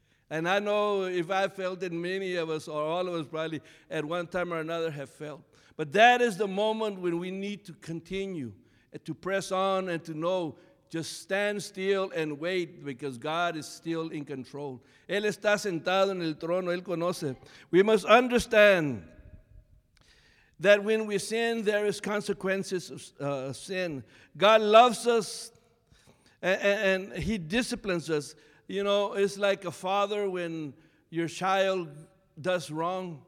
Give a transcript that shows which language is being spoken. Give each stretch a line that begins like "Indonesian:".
English: And I know if I felt it, many of us or all of us probably at one time or another have felt. But that is the moment when we need to continue and to press on and to know, just stand still and wait, because God is still in control.
Spanish: Él está sentado en el trono, Él conoce.
English: We must understand that when we sin, there is consequences of sin. God loves us and He disciplines us. You know, it's like a father when your child does wrong.